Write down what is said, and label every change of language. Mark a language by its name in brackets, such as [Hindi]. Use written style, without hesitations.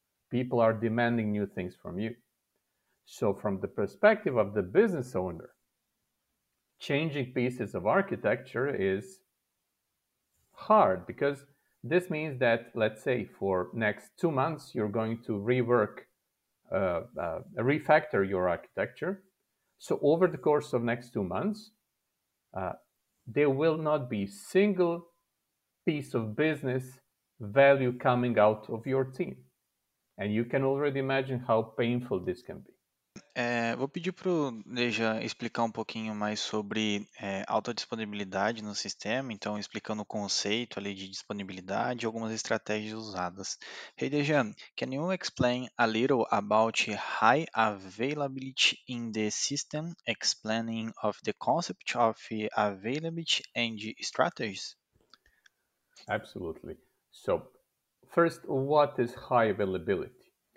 [English] People are demanding new things from you. So from the perspective of the business owner, changing pieces of architecture is hard, because this means that, let's say, for next 2 months, you're going to rework, refactor your architecture. So over the course of next 2 months, there will not be single piece of business value coming out of your team. And you can already imagine how painful this can be. [Portuguese] Vou pedir para o Neja explicar um pouquinho mais sobre autodisponibilidade no sistema, então explicando o conceito ali de disponibilidade e algumas estratégias usadas. [English] Hey Neja, can you explain a little about high availability in the system, explaining of the concept of availability and strategies? Absolutely. So, first, what is high availability?